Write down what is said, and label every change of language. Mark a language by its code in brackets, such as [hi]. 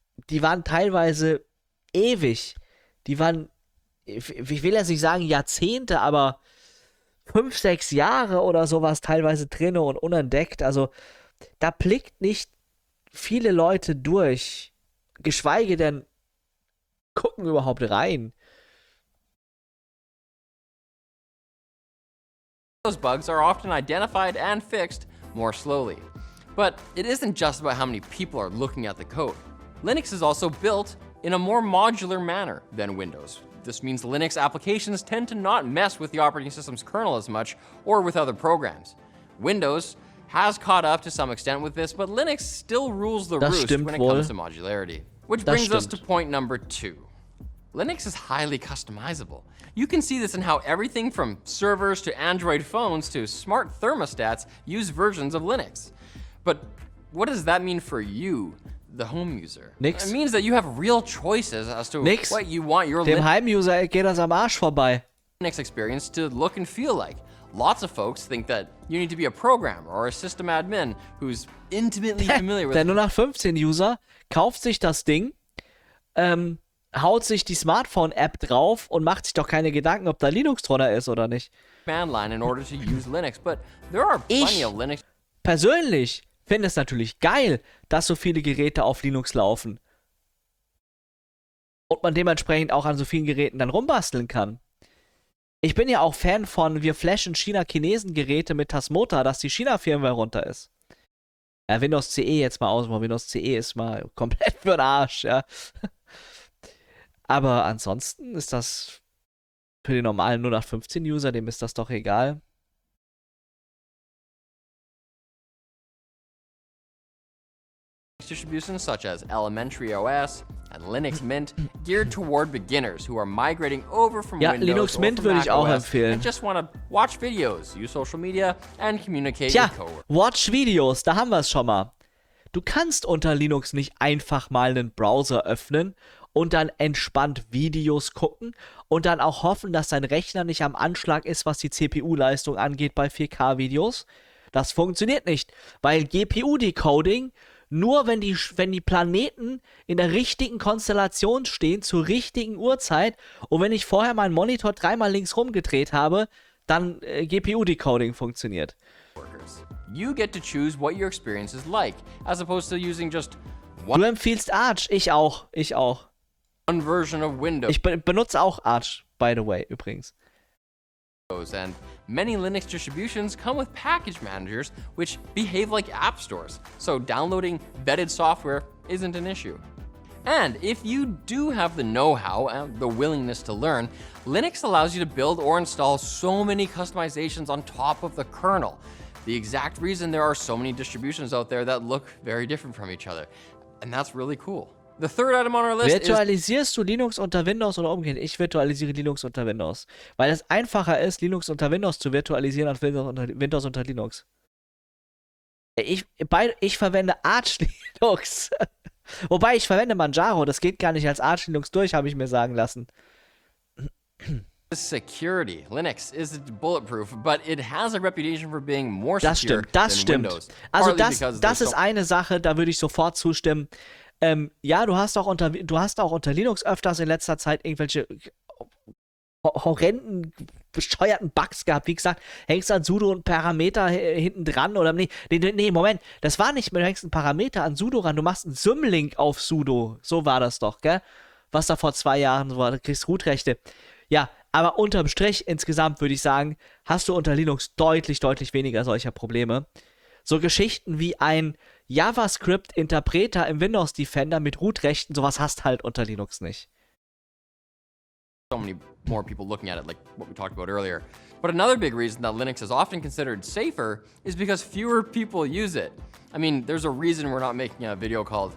[de] Die waren teilweise ewig. Die waren, ich will jetzt nicht sagen Jahrzehnte, aber 5-6 Jahre oder sowas teilweise drin und unentdeckt. Also da blickt nicht viele Leute durch, geschweige denn gucken überhaupt rein. [en] Those bugs are often identified and fixed more slowly. But it isn't just about how many people are looking at the code. Linux is also built in a more modular manner than Windows. This means Linux applications tend to not mess with the operating system's kernel as much or with other programs. Windows has caught up to some extent with this, but Linux still rules the roost when it comes to modularity. Which brings us to point number 2. Linux is highly customizable. You can see this in how everything from servers to Android phones to smart thermostats use versions of Linux. But what does that mean for you, the home user. [de] Nix. [en] It means that you have real choices as to [de] Nix. [en] What you want your [de] Dem Heimuser geht das am Arsch vorbei. [en] Linux experience to look and feel like. Lots of folks think that you need to be a programmer or a system admin who's intimately familiar with [de] it. Der 0815 User kauft sich das Ding, haut sich die Smartphone-App drauf und macht sich doch keine Gedanken, ob da Linux drunter ist oder nicht. [en] Command line in order to use Linux, but there are plenty [de] ich [en] of Linux. [de] Persönlich finde es natürlich geil, dass so viele Geräte auf Linux laufen. Und man dementsprechend auch an so vielen Geräten dann rumbasteln kann. Ich bin ja auch Fan von, wir flashen China-Chinesen-Geräte mit Tasmota, dass die China-Firmware runter ist. Ja, Windows CE jetzt mal ausmachen. Windows CE ist mal komplett für den Arsch, ja. Aber ansonsten ist das für den normalen 0815-User, dem ist das doch egal. [en] Distributions such as Elementary OS and Linux Mint geared toward beginners who are migrating over from Windows [de] Linux Mint [en] or from [de] würde ich auch empfehlen. [en] And just want to watch videos, use social media and communicate [de] Tja, [en] with coworkers. Watch Videos, [de] da haben wir es schon mal. Du kannst unter Linux nicht einfach mal einen Browser öffnen und dann entspannt Videos gucken und dann auch hoffen, dass dein Rechner nicht am Anschlag ist, was die CPU-Leistung angeht bei 4K-Videos. Das funktioniert nicht, weil GPU-Decoding nur wenn die Planeten in der richtigen Konstellation stehen, zur richtigen Uhrzeit, und wenn ich vorher meinen Monitor dreimal links rumgedreht habe, dann GPU-Decoding funktioniert. [en] You get to choose what your experience is like, as opposed to using just one. [de] Du empfiehlst Arch, ich auch. [en] One version of Windows. [de] Ich benutze auch Arch, [en] by the way, [de] übrigens. [en] And many Linux distributions come with package managers which behave like app stores, so downloading vetted software isn't an issue. And if you do have the know-how and the willingness to learn, Linux allows you to build or install so many customizations on top of the kernel. The exact reason there are so many distributions out there that look very different from each other. And that's really cool. The third item on our list [de] virtualisierst du Linux unter Windows oder umgekehrt? Ich virtualisiere Linux unter Windows. Weil es einfacher ist, Linux unter Windows zu virtualisieren als Windows unter Linux. Ich verwende Arch Linux. Wobei, ich verwende Manjaro. Das geht gar nicht als Arch Linux durch, habe ich mir sagen lassen. [en] Security. Linux is bulletproof, but it has a reputation for being more [de] secure. Das stimmt. [en] Windows. [de] Also das ist eine Sache, da würde ich sofort zustimmen. Du hast auch unter Linux öfters in letzter Zeit irgendwelche horrenden, bescheuerten Bugs gehabt. Wie gesagt, hängst an sudo und Parameter hinten dran oder nee, Moment, das war nicht mehr, du hängst ein Parameter an sudo ran, du machst einen Symlink auf sudo, so war das doch, gell? Was da vor 2 Jahren war, du kriegst Rootrechte. Ja, aber unterm Strich insgesamt würde ich sagen, hast du unter Linux deutlich, deutlich weniger solcher Probleme. So Geschichten wie ein JavaScript-Interpreter im Windows Defender mit Root-Rechten, sowas hast halt unter Linux nicht. [en] So many more people looking at it, like what we talked about earlier. But another big reason that Linux is often considered safer is because fewer people use it. I mean, there's a reason we're not making a video called.